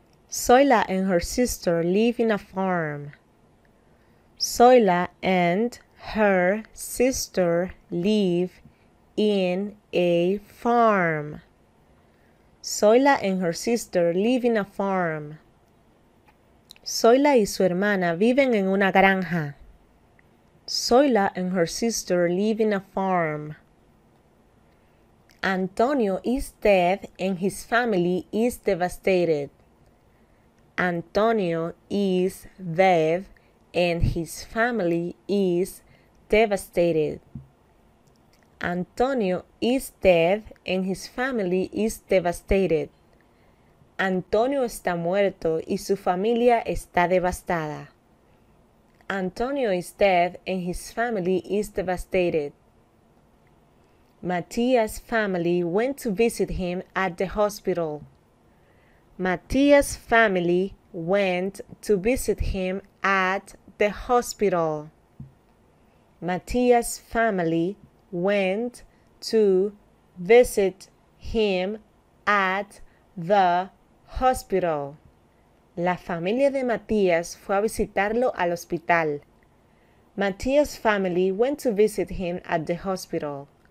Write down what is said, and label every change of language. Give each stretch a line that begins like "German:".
English: Zoila and her sister live in a farm. Zoila and her sister live in a farm. Zoila and her sister live in a farm.
Spanish: Zoila y su hermana viven en una granja.
English: Zoila and her sister live in a farm. Antonio is dead and his family is devastated. Antonio is dead and his family is devastated. Antonio is dead and his family is devastated.
Spanish: Antonio está muerto y su familia está devastada.
English: Antonio is dead and his family is devastated. Matias' family went to visit him at the hospital. Matias' family went to visit him at the hospital. Matias' family went to visit him at the hospital.
Spanish: La familia de Matías fue a visitarlo al hospital.
English: Matías' family went to visit him at the hospital.